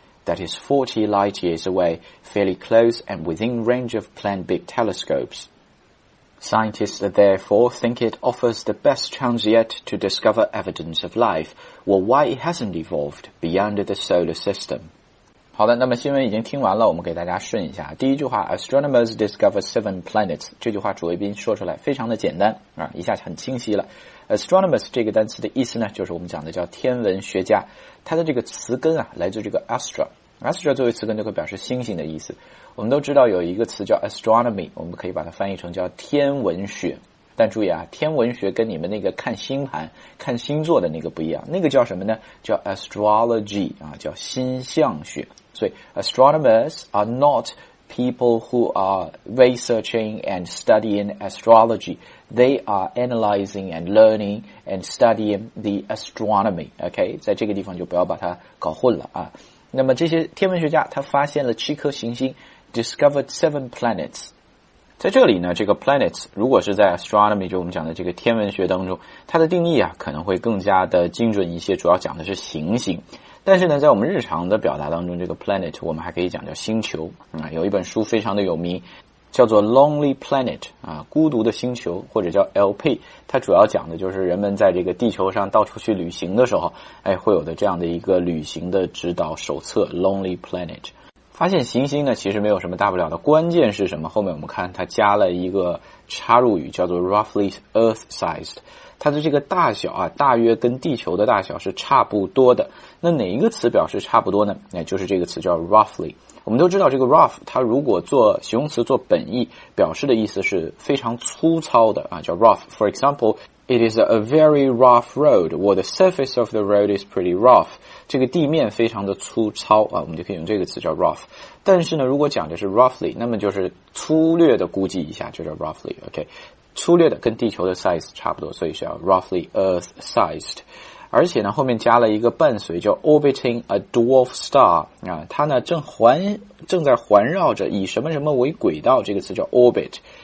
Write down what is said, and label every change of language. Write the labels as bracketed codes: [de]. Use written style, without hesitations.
[en] That is 40 light-years away, fairly close and within range of planned big telescopes. Scientists therefore think it offers the best chance yet to discover evidence of life, or why it hasn't evolved beyond the solar system. [zh] 好的，那么新闻已经听完了，我们给大家顺一下。第一句话 , [en] astronomers discover seven planets, [zh] 这句话主谓宾说出来非常的简单啊，一下很清晰了。 astronomers 这个单词的意思呢，就是我们讲的叫天文学家，它的这个词根啊来自这个 astra 作为词根就会表示星星的意思。我们都知道有一个词叫 astronomy, 我们可以把它翻译成叫天文学。但注意啊，天文学跟你们那个看星盘看星座的那个不一样，那个叫什么呢，叫 astrology, 啊，叫星象学。 [en] 所以 astronomers are not people who are researching and studying astrology. They are analyzing and learning and studying the astronomy. [zh] OK, 在这个地方就不要把它搞混了啊。那么这些天文学家他发现了七颗行星， [en] discovered seven planets。 [zh] 在这里呢，这个 planets 如果是在 astronomy 就我们讲的这个天文学当中，它的定义啊可能会更加的精准一些，主要讲的是行星。但是呢，在我们日常的表达当中，这个 planet 我们还可以讲叫星球啊。有一本书非常的有名，叫做 Lonely Planet 啊，孤独的星球，或者叫 LP, 它主要讲的就是人们在这个地球上到处去旅行的时候，哎，会有的这样的一个旅行的指导手册 Lonely Planet。发现行星呢其实没有什么大不了的，关键是什么，后面我们看它加了一个插入语叫做 [en] roughly earth sized, [zh] 它的这个大小啊大约跟地球的大小是差不多的。那哪一个词表示差不多呢，那就是这个词叫 roughly。我们都知道这个 rough 它如果做形容词做本意表示的意思是非常粗糙的啊，叫 rough。 [en] For example,It is a very rough road, or the surface of the road is pretty rough. [zh] 这个地面非常的粗糙啊，我们就可以用这个词叫 rough。但是呢，如果讲的是 roughly, 那么就是粗略的估计一下就叫 roughly, OK? 粗略的跟地球的 size 差不多，所以叫 [en] roughly earth sized。 [zh] 而且呢，后面加了一个伴随叫 [en] orbiting a dwarf star, [zh] 啊，它呢正在环绕着以什么什么为轨道，这个词叫 orbit。